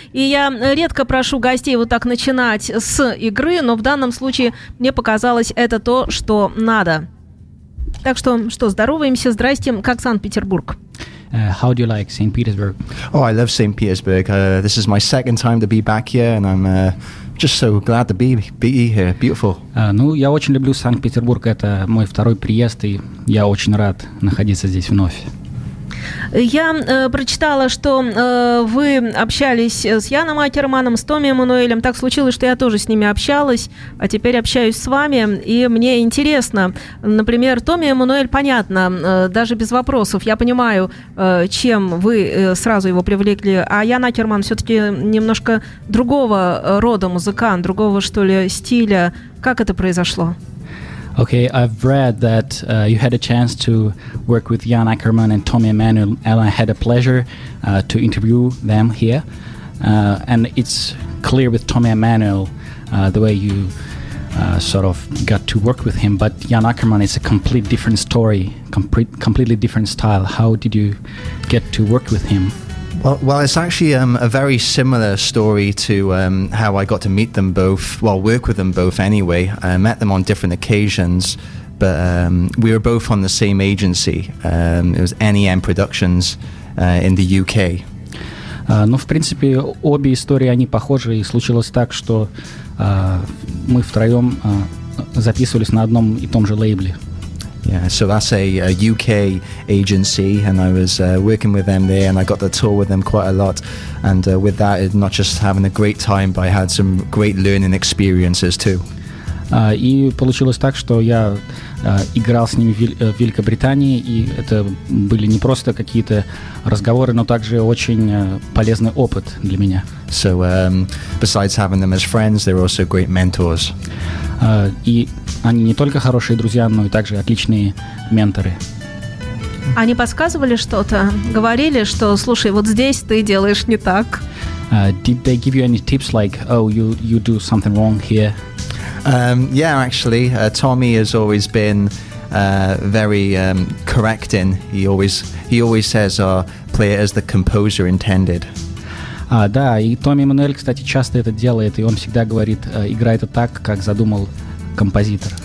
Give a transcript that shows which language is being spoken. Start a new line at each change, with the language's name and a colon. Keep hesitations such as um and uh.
Russian: И я редко прошу гостей вот так начинать с игры, но в данном случае мне показалось это то, что надо. Так что, что, здороваемся, здрасте, как Санкт-Петербург?
English: Uh, how do you like Saint Petersburg? Oh, I love Saint Petersburg. Uh, this is my second time to be back here, and I'm uh just so glad to be, be here. Beautiful.
Russian: Uh, ну, я очень люблю Санкт-Петербург. Это мой второй приезд, и я очень рад находиться здесь вновь. Я э, прочитала, что э, вы общались с Яном Акерманом, с Томи Эммануэлем. Так случилось, что я тоже с ними общалась, а теперь общаюсь с вами. И мне интересно, например, Томи Эммануэль, понятно, э, даже без вопросов, я понимаю, э, чем вы э, сразу его привлекли, а Ян Акерман все-таки немножко другого рода музыкант, другого, что ли, стиля. Как это произошло?
English: Okay, I've read that uh, you had a chance to work with Jan Ackerman and Tommy Emmanuel, and I had a pleasure uh, to interview them here. Uh, and it's clear with Tommy Emmanuel the way you sort of got to work with him, but Jan Ackerman is a complete different story, complete, completely different style. How did you get to work with him? Well, well, it's actually um, a very similar story to um, how I got to meet them both, well, work with them both anyway. I met them on different occasions, but um, we were both on the same agency. it was NEM Productions uh, in the UK.
Russian: Ну, в принципе, обе истории, они похожи, и случилось так, что мы втроем записывались на одном и том же лейбле.
English: Yeah, so that's a, a, UK agency, and I was uh, working with them there, and I got to tour with them quite a lot. And uh, with that, not just having a great time, but I had some great learning experiences too.
Russian: И получилось так, что я Uh, играл с ними в Великобритании, и это были не просто какие-то разговоры, но также очень uh, полезный опыт для меня.
English: So, um, besides having them as friends, they're also great mentors.
Russian: Uh, и они не только хорошие друзья, но и также отличные менторы. Они подсказывали что-то, говорили, что, слушай, вот здесь ты делаешь не так.
English: Uh, did they give you any tips like, oh, you you do something wrong here? Um, yeah, actually, uh, Tommy has always been uh, very um, correcting. He always he always says, uh, "Play it as the composer intended."
Russian: да, и Томми Мануэль, кстати, часто это делает, и он всегда говорит, играй это так, как задумал композитор.